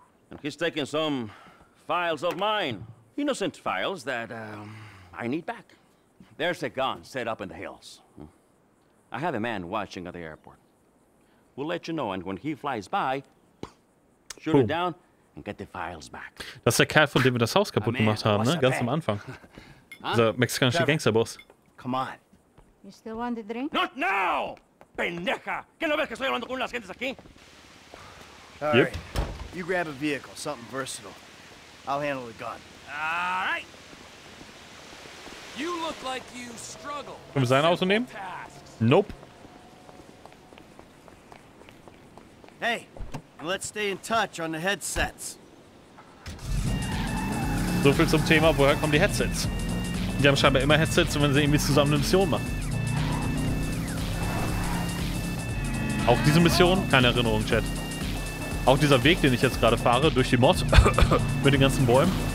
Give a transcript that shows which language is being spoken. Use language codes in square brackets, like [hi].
[en] And he's taking some files of mine. Innocent files that I need back. There's a gun set up in the hills. I have a man watching at the airport. We'll let you know, and when he flies by, shoot it down and get the files back. [de] Das ist der Kerl, von dem wir das Haus kaputt gemacht haben, ne? Ganz am Anfang. Dieser mexikanische Gangsterboss. [en] Come on. You still want a drink? Not now! Pendeja! [es] ¿Que no ves que estoy hablando con las gentes aquí? [en] All right. You grab a vehicle, something versatile. I'll handle the gun. All right. You look like you struggle. [de] Können wir sein Auto nehmen? Nope. [en] Hey, and let's stay in touch on the headsets. [de] So viel zum Thema, woher kommen die Headsets? Die haben scheinbar immer Headsets, wenn sie irgendwie zusammen eine Mission machen. Auch diese Mission? Keine Erinnerung, Chat. Auch dieser Weg, den ich jetzt gerade fahre, durch die Mod, mit den ganzen Bäumen.